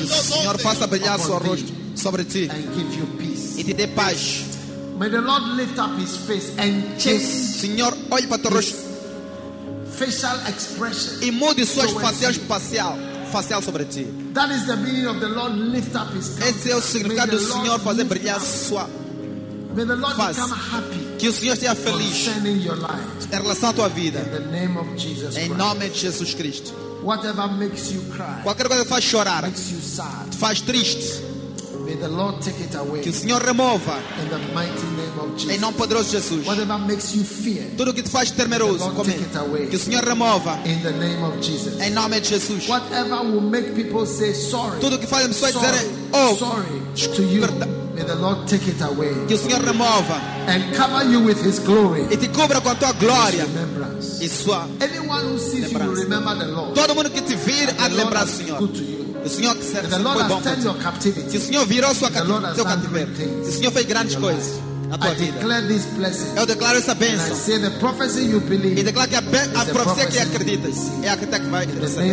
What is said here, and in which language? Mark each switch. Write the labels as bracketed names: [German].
[Portuguese] O Senhor faça brilhar sua rosto sobre ti. [English] And give you peace. [Portuguese] E te dê paz. [English] May the Lord lift up his face and change. [Portuguese] Senhor, olhe para teu rosto. [English] Facial expression. [Portuguese] E mude suas facial facial sobre ti. [English] That is the meaning of the Lord lift up his countenance. [Portuguese] Esse é o significado do Senhor fazer brilhar sua. [English] May the Lord become happy. [Portuguese] Que o Senhor esteja feliz em relação à tua vida. Em nome de Jesus Cristo. [English] Whatever makes you cry, [Portuguese] qualquer coisa que faz chorar, [English] makes you sad, [Portuguese] te faz triste. [English] May the Lord take it away, [Portuguese] que o Senhor remova. [English] In the mighty name of Jesus. [Portuguese] Em nome poderoso de Jesus. [English] Whatever makes you fear, [Portuguese] tudo que te faz temeroso, [English] the Lord take it away, [Portuguese] que o Senhor remova. [English] In the name of Jesus. [Portuguese] Em nome de Jesus. [English] Whatever will make people say sorry, [Portuguese] tudo que faz as pessoas dizerem, oh, [English] sorry to you. May the Lord take it away. [Portuguese] Que o Senhor remova. [English] And cover you with his glory. [Portuguese] E te cubra com a tua glória. [English] His remembrance. [Portuguese] E sua. [English] Anyone who sees you will remember the Lord. [Portuguese] Todo mundo que te vir há de lembrar o Senhor. [English] Good to you. [Portuguese] O Senhor que serve. [English] The Lord has turned your captivity. [Portuguese] Que o Senhor virou sua cativeiro. O Senhor fez grandes coisas. [English] I declare this blessing. [Portuguese] Eu declaro essa bênção. [English] And I say the prophecy you believe. [Portuguese] E declaro que a profecia que acreditas é a que vai receber.